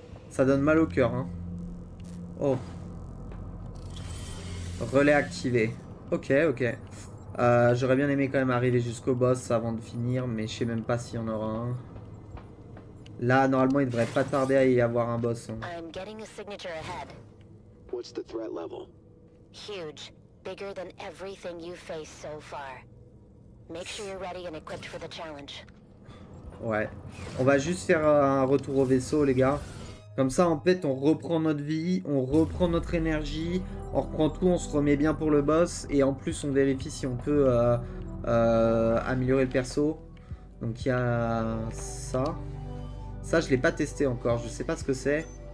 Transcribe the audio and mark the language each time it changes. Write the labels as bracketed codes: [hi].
[fr] Ça donne mal au cœur. Hein. Oh. Relais activé. Ok, ok. J'aurais bien aimé quand même arriver jusqu'au boss avant de finir, mais je sais même pas s'il y en aura un. Là, normalement, il devrait pas tarder à y avoir un boss. [en] I'm getting a signature ahead. What's the threat level? Huge, bigger than everything you face so far. Make sure you're ready and equipped for the challenge. [fr] Ouais, on va juste faire un retour au vaisseau, les gars. Comme ça, en fait, on reprend notre vie, on reprend notre énergie, on reprend tout, on se remet bien pour le boss, et en plus, on vérifie si on peut améliorer le perso. Donc, il y a ça. Ça, je l'ai pas testé encore. Je sais pas ce que c'est.